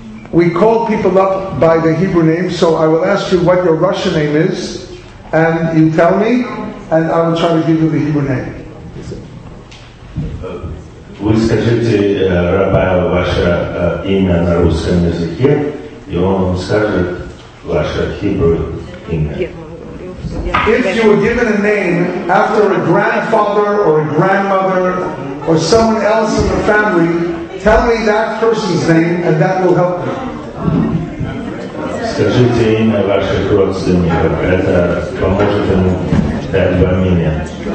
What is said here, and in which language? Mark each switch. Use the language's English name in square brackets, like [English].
[English] We call people up by the Hebrew name, so I will ask you what your Russian name is, and you tell me, and I will try to give you the Hebrew name. [Russian] Вы скажите Рабаю ваше имя на русском языке, и он вам скажет ваше Hebrew имя. [English] If you were given a name after a grandfather or a grandmother or someone else in the family, tell me that person's name and that will help me. [Russian] Скажите имя ваших родственников, это поможет ему дать вам имя.